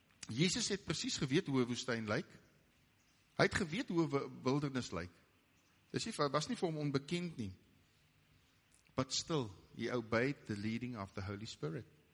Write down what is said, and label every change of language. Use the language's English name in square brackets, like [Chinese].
[Afrikaans] Jesus het precies geweet hoe een woestijn lyk. Hy het geweet hoe een wildernis lyk. Dis nie, was nie vir hom onbekend nie. [English] But still, he obeyed the leading of the Holy Spirit.